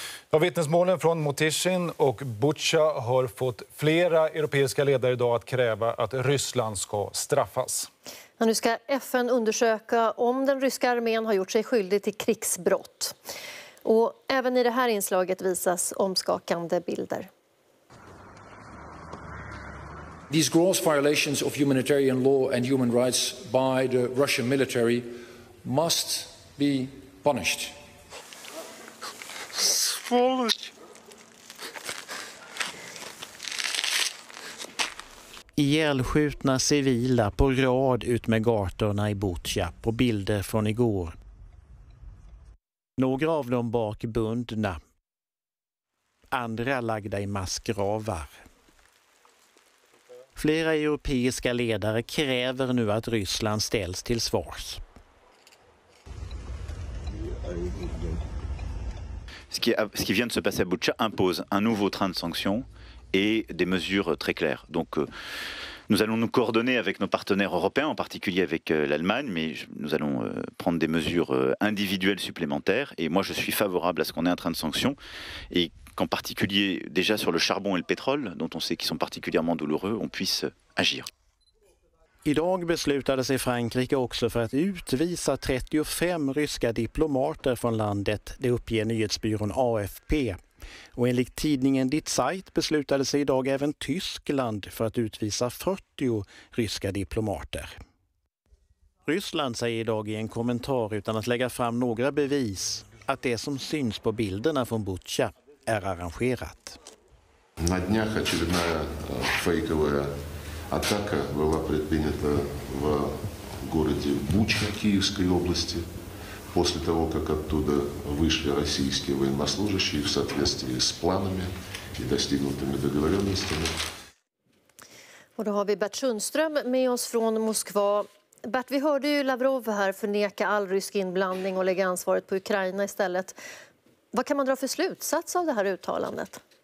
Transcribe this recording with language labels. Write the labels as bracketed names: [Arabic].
[Swedish] Av vittnesmålen från Motishin och Butcha har fått flera europeiska ledare idag att kräva att Ryssland ska straffas. Nu ska FN undersöka om den ryska armén har gjort sig skyldig till krigsbrott. Och även i det här inslaget visas omskakande bilder. [English] These gross violations of humanitarian law and human rights by the Russian military must be punished. [Swedish] Ihjälskjutna civila på rad ut med gatorna i Butcha på bilder från igår. Några av dem bakbundna, andra lagda i massgravar. Flera europeiska ledare kräver nu att Ryssland ställs till svars. [French] Ce qui vient de se passer à Butcha impose un nouveau train de sanctions et des mesures très claires. Donc Nous allons nous coordonner avec nos partenaires européens, en particulier avec l'Allemagne, mais nous allons prendre des mesures individuelles supplémentaires. Et moi, je suis favorable à ce qu'on ait un train de sanctions, et qu'en particulier, déjà sur le charbon et le pétrole, dont on sait qu'ils sont particulièrement douloureux, on puisse agir. [Swedish] Idag beslutade sig Frankrike också för att utvisa 35 ryska diplomater från landet, det uppger nyhetsbyrån AFP. Och enligt tidningen Die Zeit beslutade sig idag även Tyskland för att utvisa 40 ryska diplomater. Ryssland säger idag i en kommentar utan att lägga fram några bevis att det som syns på bilderna från Butja är arrangerat. [Russian] На днях очередная фейковая атака была предпринята в городе Буча Киевской области после того, как оттуда вышли российские военнослужащие в соответствии с планами и достигнутыми договоренностями. [Swedish] Och då har vi Bert Sundström med oss från Moskva. Bert, vi hörde ju Lavrov här förneka all rysk inblandning och lägga ansvaret på Ukraina istället. Vad kan man dra för slutsats av det här uttalandet?